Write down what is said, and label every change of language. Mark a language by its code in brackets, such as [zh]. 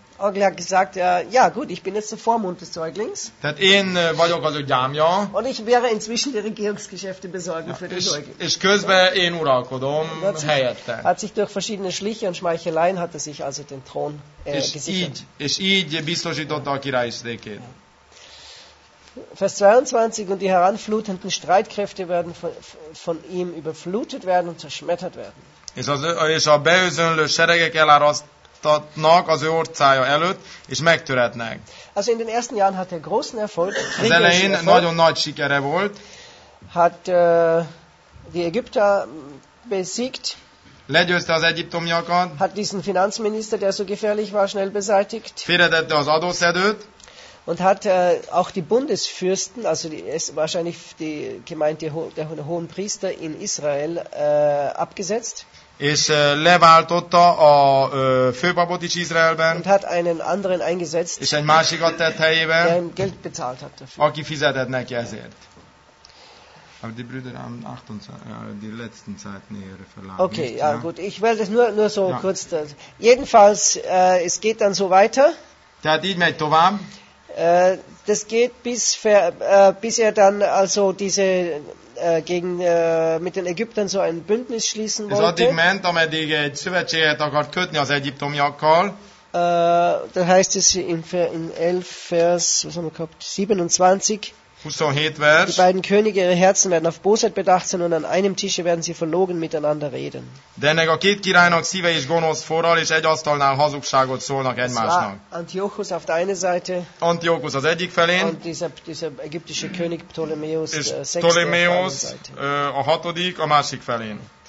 [de] Onkel hat gesagt, ja gut, ich bin jetzt der Vormund des Säuglings. [hu] Tehát én vagyok az ő gyámja. [de] Und ich werde inzwischen die Regierungsgeschäfte besorgen für den Säugling. [hu] És közben én uralkodom helyette. [de] Hat sich durch verschiedene Schliche und Schmeicheleien hat er sich also den Thron gesichert. [hu] És így biztosította a királyi székét. [de] Vers 22 und die heranflutenden Streitkräfte werden von ihm überflutet werden und zerschmettert werden. [hu] És a beözönlő seregek elárasztatnak az ő orcája előtt és megtöretnek. [de] Also in den ersten Jahren hat er großen Erfolg. [hu] Az elején nagyon nagy sikere volt. [de] Hat die Ägypter besiegt. [hu] Legyőzte az egyiptomiakat. [de] Hat diesen Finanzminister, der so gefährlich war, schnell beseitigt. [hu] Félretette az adószedőt. [de] Und hat auch die Bundesfürsten, also wahrscheinlich die Gemeinde der hohen Priester in Israel abgesetzt. [hu] És leváltotta a főpapot is Izraelben. [de] Und hat einen anderen eingesetzt. [hu] És egy másikat tett helyébe. [de] Der ihm Geld bezahlt hat dafür. [hu] Aki fizetett neki ezért. [de] Aber die Brüder haben 28, die letzten Zeiten hier verlassen. Okay, nicht, ja, ja gut, ich werde es nur so ja kurz. Jedenfalls, es geht dann so weiter. [hu] Tehát így megy tovább. [de] Das geht bis er dann also diese gegen mit den Ägyptern so ein Bündnis schließen wollte. [hu] Ez addig ment, ameddig egy szövetséget akart kötni az egyiptomiakkal. [de] Da heißt es in 11 Vers, was haben wir gehabt? 27. [hu] 27 vers. [de] Die beiden Könige, ihre Herzen werden auf Bosheit bedacht sein und an einem Tische werden sie verlogen miteinander reden. [hu] De ennek a két királynak szíve is gonosz forral, és egy asztalnál hazugságot szólnak egymásnak. [de] Antiochus auf der einen Seite. [hu] Antiochus az egyik felén. [de] Und dieser ägyptische König Ptolemäus. [hu] És Ptolemäus a hatodik a másik felén.